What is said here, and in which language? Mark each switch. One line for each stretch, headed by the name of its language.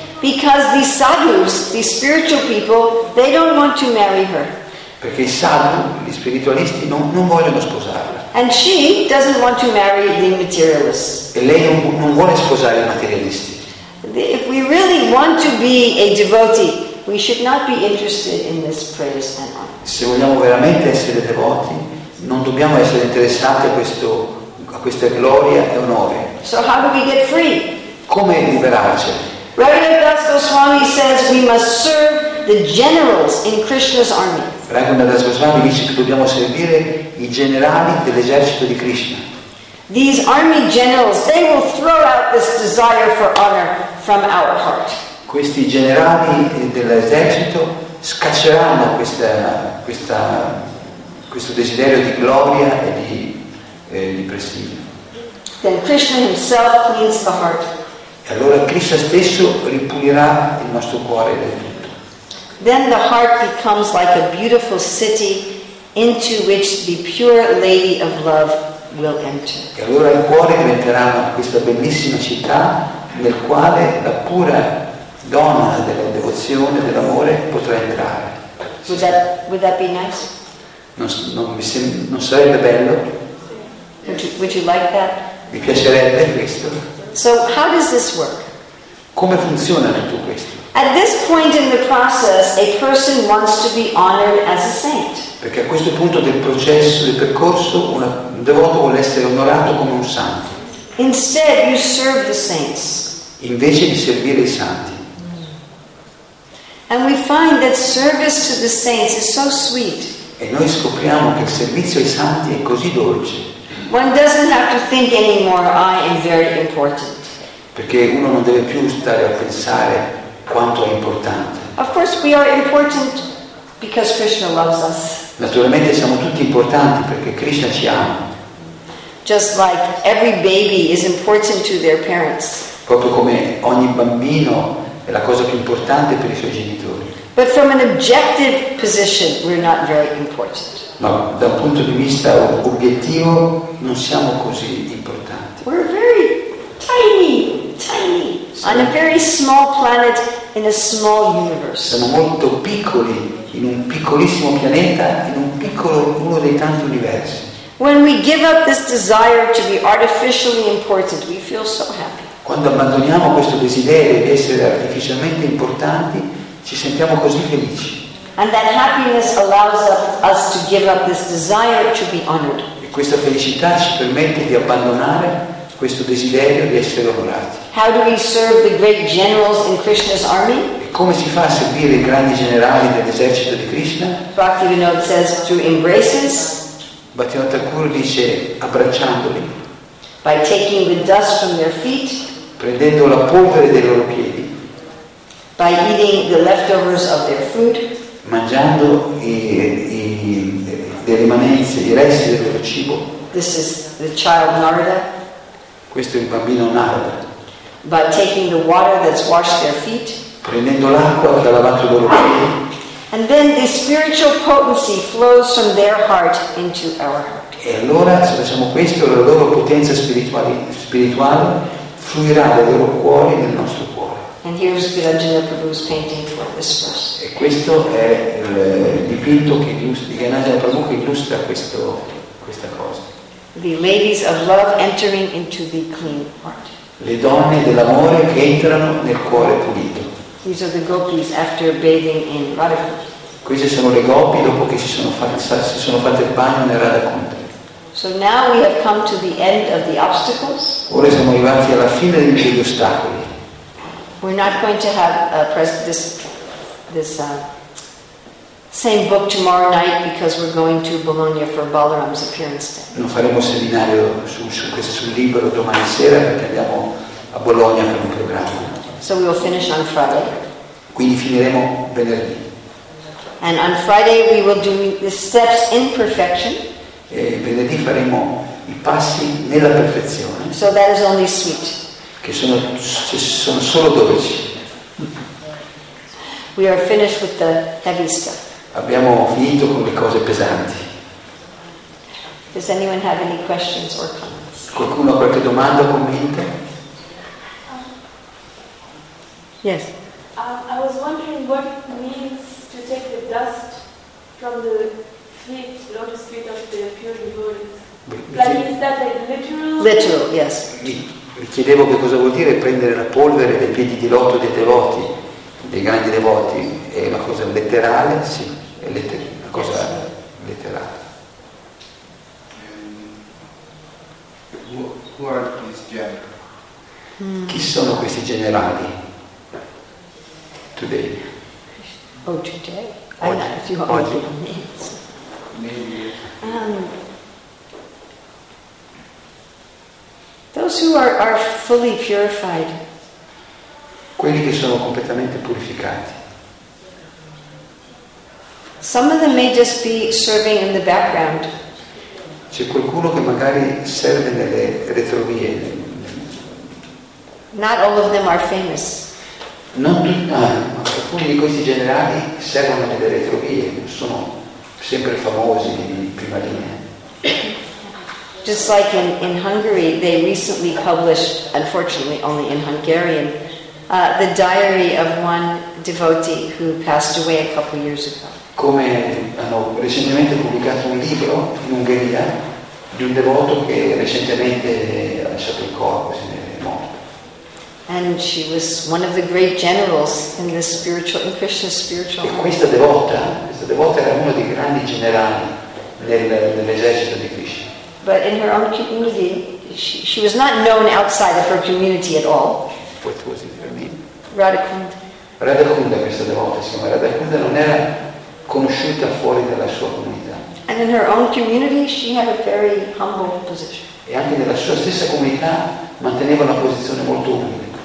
English: Because the sadhus, the spiritual people, they don't want to marry her.
Italian: Perché i sadhu, gli spiritualisti, non vogliono sposarla.
English: And she doesn't want to marry the materialists.
Italian: E lei non vuole sposare i materialisti.
English: If we really want to be a devotee, we should not be interested in this praise and honor.
Italian: Se vogliamo veramente essere devoti, non dobbiamo essere interessati a questa gloria e onore.
English: So how do we get free?
Italian: Come liberarci?
English: Raghunathas Goswami says we must serve the generals in Krishna's army.
Italian: Raghunathas Goswami dice che dobbiamo servire i generali dell'esercito di Krishna.
English: These army generals, they will throw out this desire for honor from our heart.
Italian: Questi generali dell'esercito scacceranno questo desiderio di gloria e di prestigio.
English: Then Krishna himself cleans the heart.
Italian: E allora Krishna stesso ripulirà il nostro cuore del tutto.
English: Then the heart becomes like a beautiful city into which the pure lady of love will enter.
Italian: E allora il cuore diventerà questa bellissima città nel quale la pura donna della devozione, dell'amore, potrà entrare.
English: Would that be nice?
Italian: Non sarebbe bello?
English: Would you like that?
Italian: Mi piacerebbe questo.
English: So how does this work?
Italian: Come funziona tutto questo?
English: At this point in the process, a person wants to be honored as a saint.
Italian: Perché a questo punto del processo, del percorso, un devoto vuole essere onorato come un santo.
English: Instead, you serve the saints.
Italian: Invece di servire i santi.
English: And we find that service to the saints is so sweet.
Italian: E noi scopriamo che il servizio ai santi è così dolce.
English: One doesn't have to think anymore, I am very important.
Italian: Perché uno non deve più stare a pensare quanto è importante.
English: Of course we are important because Krishna loves us.
Italian: Naturalmente siamo tutti importanti perché Krishna ci ama.
English: Just like every baby is important to their parents.
Italian: Proprio come ogni bambino è la cosa più importante per i suoi genitori.
English: But from an objective position we're not very important.
Italian: Ma dal punto di vista obiettivo non siamo così importanti.
English: We're very tiny, tiny. On a very small planet in a small universe.
Italian: Siamo molto piccoli in un piccolissimo pianeta in un piccolo uno dei tanti universi.
English: When we give up this desire to be artificially important, we feel so happy.
Italian: Quando abbandoniamo questo desiderio di essere artificialmente importanti, ci sentiamo così felici.
English: And that happiness allows us to give up this desire to be honored.
Italian: E questa felicità ci permette di abbandonare questo desiderio di essere onorati.
English: How do we serve the great generals in Krishna's army?
Italian: E come si fa a servire i grandi generali dell'esercito di Krishna?
English: Bhaktivinoda says through embraces.
Italian: Bhaktivinoda Thakur dice abbracciandoli.
English: By taking the dust from their feet.
Italian: prendendo la polvere dei loro piedi,
English: by eating the leftovers of their food,
Italian: mangiando le rimanenze, i resti del loro cibo.
English: This is the child Narada.
Italian: Questo è il bambino Narada.
English: By taking the water that's washed their feet,
Italian: prendendo l'acqua che ha lavato i loro piedi.
English: And then the spiritual potency flows from their heart into our heart.
Italian: E allora, se facciamo questo, la loro potenza spirituale fluirà dai loro cuori nel nostro cuore.
English: And here's Viranjana Prabhu's painting for this verse.
Italian: E questo è il dipinto che illustra, di Viranjana Prabhu, che illustra questa cosa.
English: The ladies of love entering into the clean heart.
Italian: Le donne dell'amore che entrano nel cuore pulito.
English: These are the gopis after bathing in Radha.
Italian: Queste sono le gopi dopo che si sono fatte il bagno nel Radha Kunda.
English: So now we have come to the end of the obstacles.
Italian: Ora siamo arrivati alla fine degli ostacoli.
English: We're not going to have this same book tomorrow night because we're going to Bologna for Balaram's appearance day.
Italian: Non faremo seminario sul libro domani sera perché andiamo a Bologna per un programma.
English: So we will finish on Friday.
Italian: Quindi finiremo venerdì.
English: And on Friday we will do the steps in perfection.
Italian: E venerdì faremo i passi nella perfezione.
English: So that is only sweet.
Italian: Che sono solo dolci.
English: We are finished with the heavy stuff.
Italian: Abbiamo finito con le cose pesanti.
English: Does anyone have any questions or comments?
Italian: Qualcuno ha qualche domanda o commento?
English: Yes. I was wondering what it means to take the dust from the feet, lotus feet of the pure devotees. Is that like literal? Literal, yes.
Italian: Mi chiedevo che cosa vuol dire prendere la polvere dei piedi di loto dei devoti, dei grandi devoti. È una cosa letterale? Sì, è una cosa letterale.
English: Who are these generals?
Italian: Chi sono questi generali?
English: Today. Oh, today?
Italian: Oggi.
English: I know if you are all names. Maybe. Those who are fully purified.
Italian: Quelli che sono completamente purificati.
English: Some of them may just be serving in the background.
Italian: C'è qualcuno che magari serve nelle retrovie.
English: Not all of them are famous.
Italian: Non tutti, ma alcuni di questi generali servono nelle retrovie, sono sempre famosi in prima linea.
English: Just like in Hungary, they recently published, unfortunately only in Hungarian, the diary of one devotee who passed away a couple years ago.
Italian: Come hanno recentemente pubblicato un libro in Ungheria di un devoto che recentemente ha lasciato il corpo, se ne è morto.
English: And she was one of the great generals in the spiritual, in Krishna's spiritual.
Italian: E questa devota era uno dei grandi generali dell'esercito di Krishna.
English: But in her own community, she was not known outside of her community at all. What was it, her name? Radhakunda.
Italian: Radhakunda, questa devota, si chiama Radhakunda, non era conosciuta fuori dalla sua comunità.
English: And in her own community, she had a very humble position.
Italian: E anche nella sua stessa comunità manteneva una posizione molto umile.